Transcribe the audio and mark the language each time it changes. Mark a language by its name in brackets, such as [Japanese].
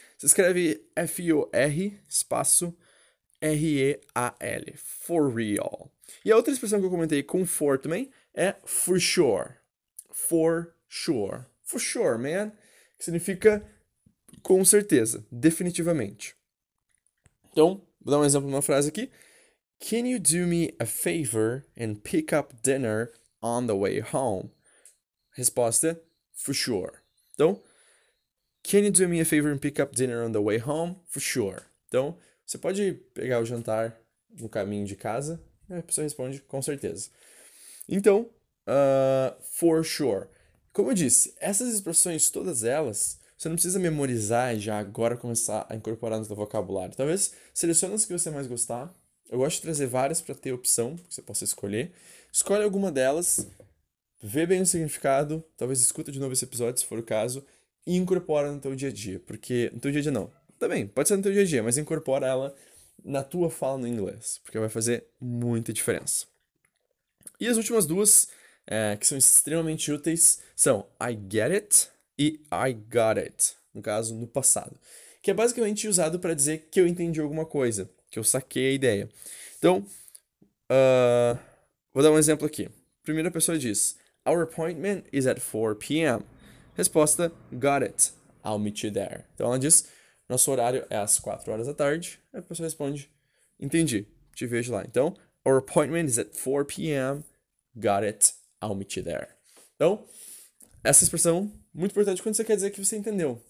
[Portuguese] Você escreve F-O-R, espaço, R-E-A-L. For real. E a outra expressão que eu comentei com for também é for sure. [English] For sure. For sure, man. [Portuguese] Que significa com certeza, definitivamente. Então, vou dar um exemplo de uma frase aqui. [English] Can you do me a favor and pick up dinner on the way home? [Portuguese] Resposta, [English] for sure. [Portuguese] Então, [English] can you do me a favor and pick up dinner on the way home? For sure. [Portuguese] Então, você pode pegar o jantar no caminho de casa? A pessoa responde, com certeza. Então, for sure. Como eu disse, essas expressões, todas elas, você não precisa memorizar e já agora começar a incorporar no seu vocabulário. Talvez selecione as que você mais gostar. Eu gosto de trazer várias para ter opção, que você possa escolher. Escolhe alguma delas, vê bem o significado, talvez escuta de novo esse episódio, se for o caso, e incorpora no teu dia a dia. Porque, no teu dia a dia não. Também, pode ser no teu dia a dia, mas incorpora ela na tua fala no inglês, porque vai fazer muita diferença. E as últimas duas, que são extremamente úteis, são I get it e I got it, no caso, no passado. Que é basicamente usado para dizer que eu entendi alguma coisa, que eu saquei a ideia. Então, vou dar um exemplo aqui. Primeira pessoa diz, [English] Our appointment is at 4 p.m. [Portuguese] Resposta, [English] got it, I'll meet you there. [Portuguese] Então ela diz, nosso horário é às 4 horas da tarde. A pessoa responde, entendi, te vejo lá. Então, [English] Our appointment is at 4 p.m. Got it, I'll meet you there. [Portuguese] Então, essa expressão, muito importante quando você quer dizer que você entendeu.